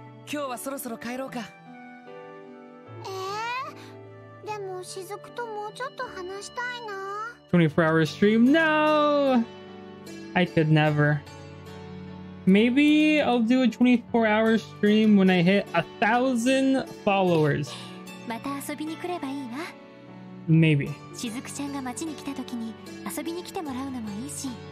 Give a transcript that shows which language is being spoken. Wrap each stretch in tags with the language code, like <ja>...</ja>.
<ja>今日はそろそろ帰ろうか。え? でもしずくともうちょっと話したいな。</ja> <en>24-hour stream? No! I could never. Maybe I'll do a 24-hour stream when I hit 1,000 followers.</en> <ja>また遊びに来ればいいな。</ja> <en>Maybe.</en> <ja>しずくちゃんが街に来た時に遊びに来てもらうのもいいし。</ja>